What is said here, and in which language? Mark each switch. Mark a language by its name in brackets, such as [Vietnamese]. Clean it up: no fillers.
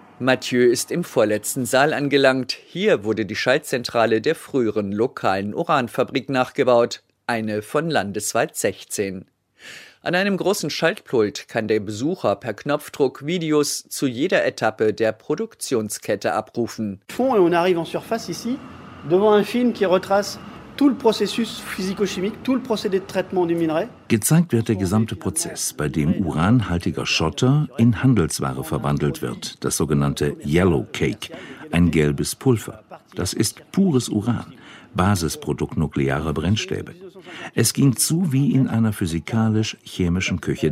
[German] Mathieu ist im vorletzten Saal angelangt. Hier wurde die Schaltzentrale der früheren lokalen Uranfabrik nachgebaut, eine von Landesweit 16. An einem großen Schaltpult kann der Besucher per Knopfdruck Videos zu jeder Etappe der Produktionskette abrufen. [French] Fond et on arrive en surface ici devant un film qui retrace tout le processus physico-chimique, tout le procédé de traitement du minerai. [German] Gezeigt wird der gesamte Prozess, bei dem uranhaltiger Schotter in Handelsware verwandelt wird, das sogenannte Yellow Cake, ein gelbes Pulver. Das ist pures Uran. Basisprodukt nuklearer Brennstäbe. Es ging zu wie in einer physikalisch-chemischen Küche.